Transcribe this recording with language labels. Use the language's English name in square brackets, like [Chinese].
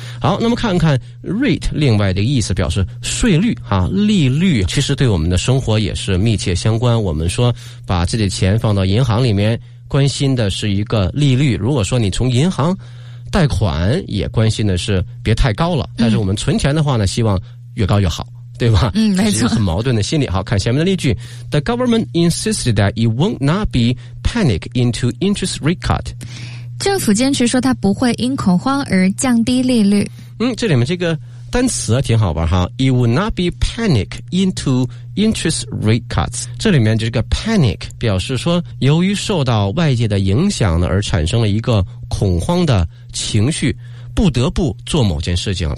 [Chinese] 好，那么看看 rate 另外的意思，表示税率哈，利率，其实对我们的生活也是密切相关。我们说把自己的钱放到银行里面，关心的是一个利率。如果说你从银行贷款，也关心的是别太高了，但是我们存钱的话呢，希望越高越好，对吧？没错，很矛盾的心理。好，看下面的例句。 [English] The government insisted that it will not be panic into interest rate cut， [Chinese] 政府坚持说它不会因恐慌而降低利率。这里面这个单词挺好玩哈。 [English] It will not be panic into interest rate cuts， [Chinese] 这里面这个 panic 表示说由于受到外界的影响呢，而产生了一个恐慌的情绪，不得不做某件事情。